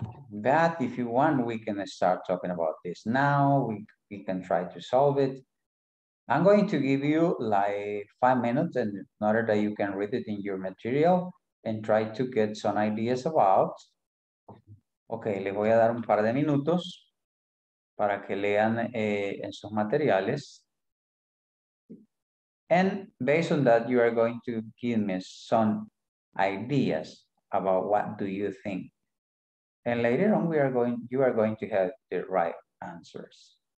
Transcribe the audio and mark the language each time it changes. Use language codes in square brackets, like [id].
[en] But if you want, we can start talking about this now. We can try to solve it. I'm going to give you like 5 minutes in order that you can read it in your material and try to get some ideas about. [es] Okay, les voy a dar un par de minutos para que lean en sus materiales. [en] And based on that, you are going to give me some ideas about what do you think. And later on, you are going to have the right answers.